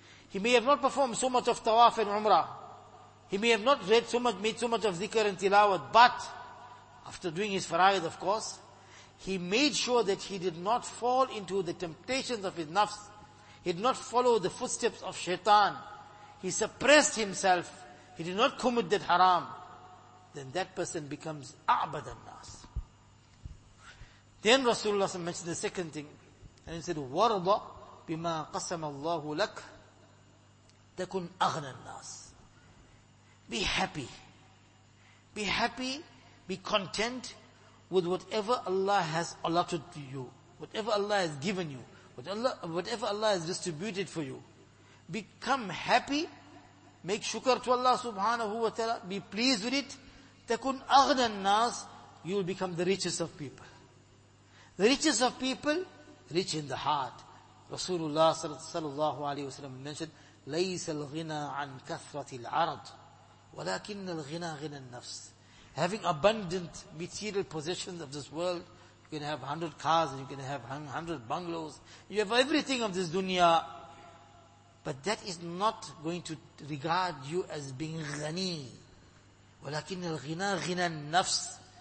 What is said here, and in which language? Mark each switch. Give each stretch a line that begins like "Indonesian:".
English: He may have not performed so much of tawaf and umrah. He may have not read so much, made so much of zikr and tilawat, but after doing his faraid, of course, he made sure that he did not fall into the temptations of his nafs. He did not follow the footsteps of shaitan. He suppressed himself. He did not commit that haram. Then that person becomes a'badan nas. Then Rasulullah mentioned the second thing. And he said,
Arabic: وَرْضَ بِمَا قَسَمَ اللَّهُ لَكَ تَكُنْ أَغْنَى النَّاسِ.
English: Be happy. Be happy, be content with whatever Allah has allotted to you, whatever Allah has given you, whatever Allah has distributed for you. Become happy, make shukr to Allah subhanahu wa ta'ala, be pleased with it,
Arabic: takun aghna an-nas,
English: you will become the richest of people. The richest of people, rich in the heart. Rasulullah sallallahu alayhi wa sallam mentioned,
Arabic: لَيْسَ الْغِنَىٰ عَنْ كَثْرَةِ الْعَرَضِ وَلَكِنَّ الْغِنَىٰ غِنَىٰ النَّفْسِ.
English: Having abundant material possessions of this world, you can have 100 cars, and you can have 100 bungalows, you have everything of this dunya, but that is not going to regard you as being غَنِي.
Arabic: وَلَكِنَّ الْغِنَىٰ غِنَىٰ النَّفْسِ.